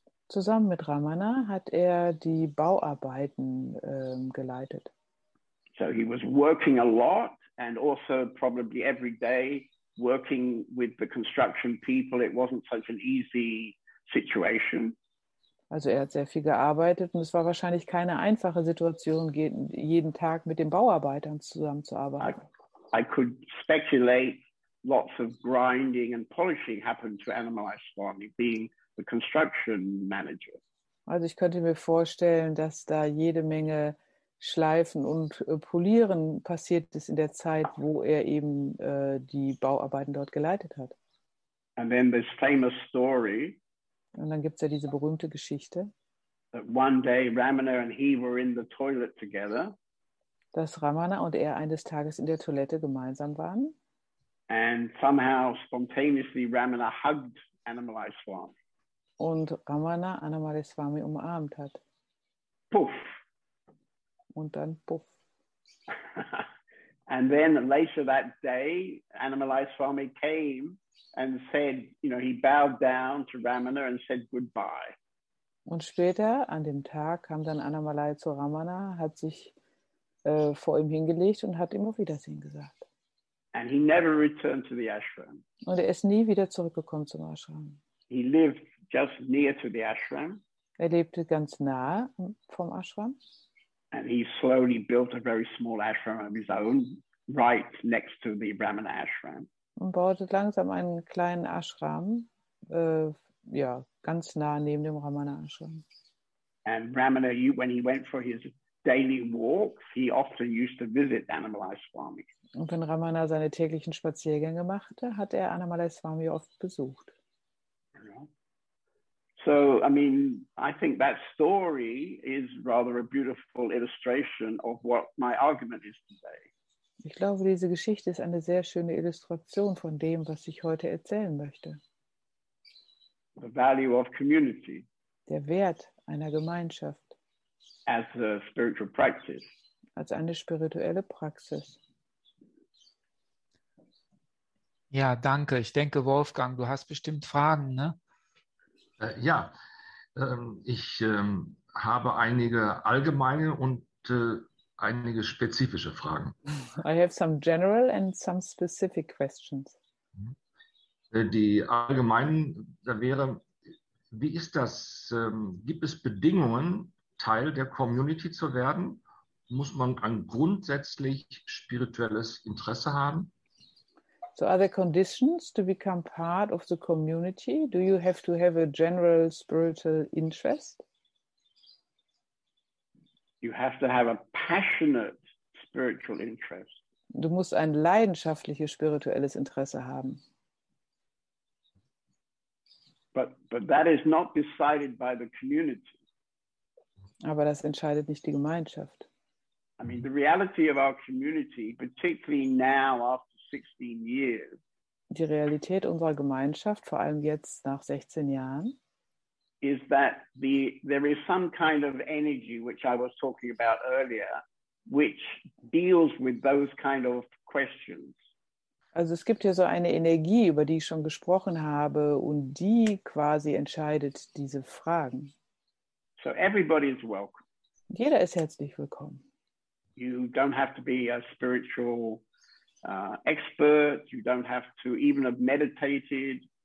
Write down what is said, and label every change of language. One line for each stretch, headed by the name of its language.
German: Zusammen mit Ramana hat er die Bauarbeiten geleitet.
English: So he was working a lot and also probably every day working with the construction people. It wasn't such an easy situation.
German: Also er hat sehr viel gearbeitet und es war wahrscheinlich keine einfache Situation, jeden Tag mit den Bauarbeitern zusammenzuarbeiten.
English: I could speculate lots of grinding and polishing happened to Annamalaiswamy being the construction manager.
German: Also ich könnte mir vorstellen, dass da jede Menge Schleifen und Polieren passiert ist in der Zeit, wo er eben die Bauarbeiten dort geleitet hat.
English: And then this famous story.
German: Und dann gibt es ja diese berühmte Geschichte,
English: one day Ramana and he were in the toilet together,
German: dass Ramana und er eines Tages in der Toilette gemeinsam waren.
English: And somehow spontaneously Ramana hugged Annamalaiswamy.
German: Und Ramana Annamalaiswamy umarmt hat. Puff. Und dann puff.
English: And then later that day, Annamalaiswamy came and said, you know, he bowed down to Ramana and said goodbye.
German: Und später an dem Tag kam dann Annamalai zu Ramana, hat sich vor ihm hingelegt und hat ihm auf Wiedersehen gesagt.
English: And he never returned to the ashram.
German: Und er ist nie wieder zurückgekommen zum Ashram.
English: He lived just near to the ashram.
German: Er lebte ganz nahe vom Ashram.
English: And he slowly built a very small ashram of his own, right next to the Ramana ashram.
German: Und baute langsam einen kleinen Ashram, ja, ganz nah neben dem Ramana Ashram.
English: And Ramana, when he went for his daily walks, he often used to visit Annamalaiswamy.
German: Und wenn Ramana seine täglichen Spaziergänge machte, hat er Annamalaiswamy oft besucht.
English: So, I mean, I think that story is rather a beautiful illustration of what my argument is today.
German: Ich glaube, diese Geschichte ist eine sehr schöne Illustration von dem, was ich heute erzählen möchte.
English: The value of community.
German: Der Wert einer Gemeinschaft.
English: As a spiritual practice.
German: Als eine spirituelle Praxis. Ja, danke. Ich denke, Wolfgang, du hast bestimmt Fragen, ne? Ja, ich habe einige allgemeine und einige spezifische Fragen.
English: I have some general and some specific questions.
German: Die allgemeinen, da wäre, wie ist das? Gibt es Bedingungen, Teil der Community zu werden? Muss man ein grundsätzlich spirituelles Interesse haben?
English: So are there conditions to become part of the community? Do you have to have a general spiritual interest? You have to have a passionate spiritual interest.
German: Du musst ein leidenschaftliches spirituelles Interesse haben.
English: But that is not decided by the community.
German: Aber das entscheidet nicht die Gemeinschaft.
English: I mean, the reality of our community, particularly now after 16 years.
German: Die Realität unserer Gemeinschaft, vor allem jetzt nach 16 Jahren,
English: is that there is some kind of energy which I was talking about earlier, which deals with those kind of questions.
German: Also es gibt hier so eine Energie, über die ich schon gesprochen habe, und die quasi entscheidet diese Fragen.
English: So everybody is welcome.
German: Jeder ist herzlich willkommen.
English: You don't have to be a spiritual expert, you don't have to even have meditated.